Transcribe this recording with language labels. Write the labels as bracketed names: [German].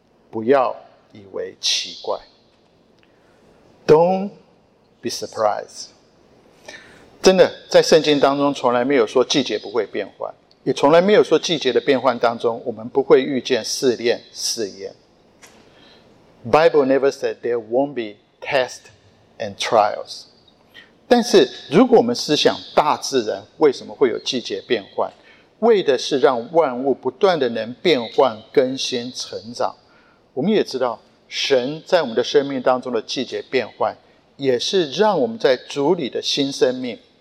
[Chinese] 不要以为奇怪， [English] Don't be surprised。 [Chinese] 真的在圣经当中从来没有说季节不会变换，也从来没有说季节的变换当中我们不会遇见试炼试验。 [English] Bible never said there won't be tests and trials。 [Chinese] 但是如果我们思想大自然为什么会有季节变换，为的是让万物不断的能变换更新成长，我们也知道神在我们的生命当中的季节变换，也是让我们在主里的新生命。